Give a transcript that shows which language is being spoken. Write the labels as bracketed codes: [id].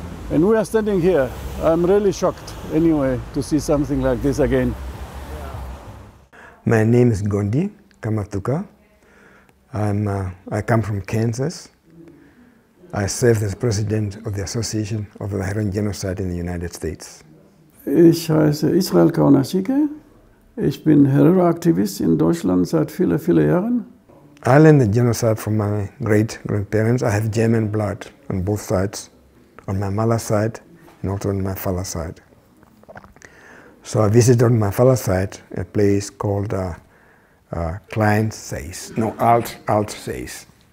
[en] And we are standing here. I'm really shocked anyway to see something like this again. My name is Gondi Kamatuka. I come from Kansas. I served as president of the Association of the Hereros Genocide in the United States. [de] Ich heiße Israel Kaunatjike. Ich bin Herero-Aktivist in Deutschland seit vielen, vielen Jahren. [en] I learned the genocide from my great grandparents. I have German blood on both sides, on my mother's side and also on my father's side. So I visited on my father's side a place called Alt-Sais.